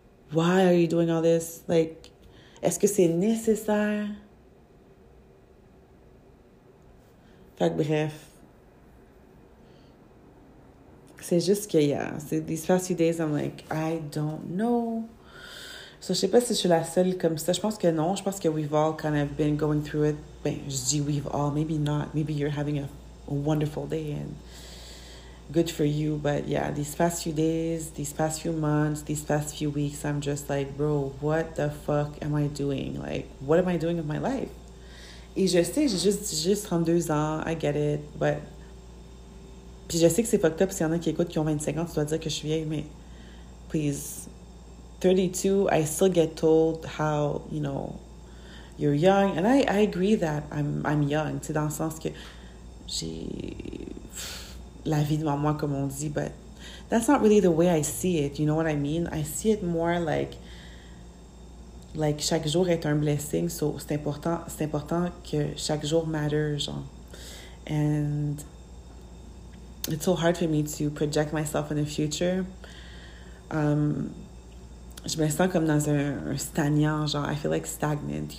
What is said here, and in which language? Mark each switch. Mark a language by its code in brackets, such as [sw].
[en] Why are you doing all this? Like, [fr] est-ce que c'est nécessaire? Fait que bref. C'est juste que, yeah. [en] C'est, these past few days, I'm like, I don't know. [fr] So, je sais pas si je suis la seule comme ça. Je pense que non. Je pense que [en] we've all kind of been going through it. [fr] Ben, je dis [en] we've all. Maybe not. Maybe you're having a wonderful day and good for you, but yeah, these past few days, these past few months, these past few weeks, I'm just like, bro, what the fuck am I doing? Like, what am I doing with my life? [fr] Et je sais, j'ai juste 32 ans, [en] I get it, but... [fr] Puis je sais que c'est fucked up, s'il y en a qui écoutent qui ont 25 ans, tu dois dire que je suis vieille, mais... [en] Please, 32, I still get told how, you know, you're young, and I agree that I'm young, [fr] tu sais, dans le sens que j'ai... La vie devant moi, comme on dit, [en] but that's not really the way I see it. You know what I mean? I see it more like [fr] chaque jour est un [en] blessing. [fr] So c'est important que chaque jour matters, genre. [en] And it's so hard for me to project myself in the future. [fr] Je me sens comme dans un stagnant, genre. [en] I feel like stagnant.